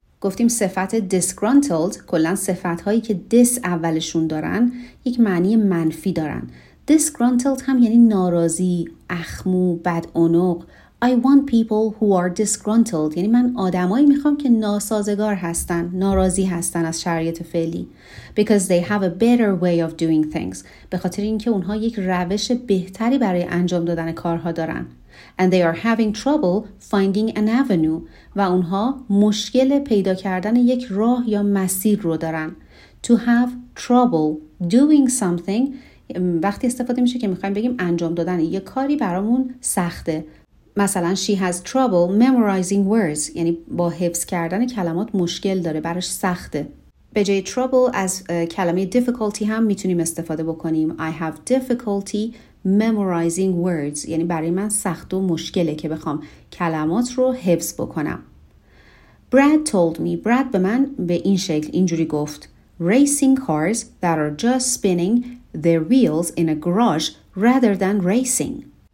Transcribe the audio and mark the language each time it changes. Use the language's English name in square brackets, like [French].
[Persian] گفتیم صفت disgruntled کلن صفت هایی که dis اولشون دارن، یک معنی منفی دارن. Disgruntled هم یعنی ناراضی، اخمو، بدعنق. [English] I want people who are disgruntled. [Persian] یعنی من آدمایی میخوام که ناسازگار هستن، ناراضی هستن از شرایط فعلی. [English] Because they have a better way of doing things. [Persian] به خاطر اینکه اونها یک روش بهتری برای انجام دادن کارها دارن. [English] And they are having trouble finding an avenue. [Persian] و اونها مشکل پیدا کردن یک راه یا مسیر رو دارن. [English] To have trouble doing something. [Persian] وقتی استفاده میشه که میخوایم بگیم انجام دادن یک کاری برامون سخته. مثلا [English] she has trouble memorizing words، [Persian] یعنی با حفظ کردن کلمات مشکل داره، براش سخته. به جای trouble از کلمه difficulty هم میتونیم استفاده بکنیم. [English] I have difficulty memorizing words، [Persian] یعنی برای من سخت و مشکله که بخوام کلمات رو حفظ بکنم. [English] Brad told me. [Persian] Brad به من به این شکل اینجوری گفت. [English] Racing cars that are just spinning their wheels in a garage rather than racing.